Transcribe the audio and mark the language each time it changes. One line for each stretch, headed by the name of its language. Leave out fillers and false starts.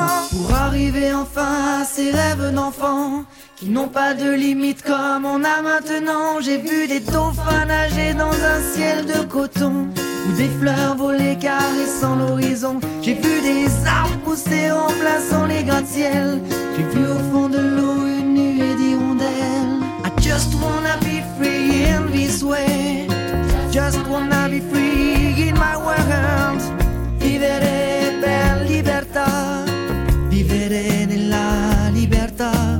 French: Pour arriver enfin à ces rêves d'enfant qui n'ont pas de limites comme on a maintenant. J'ai vu des dauphins nager dans un ciel de coton, où des fleurs volaient caressant l'horizon. J'ai vu des arbres pousser en plaçant les gratte-ciel. J'ai vu au fond de l'eau une nuée d'hirondelles.
English: I just wanna be free in this way, just wanna be free in my world.
Italian: Vivere per libertà, vivere nella libertà.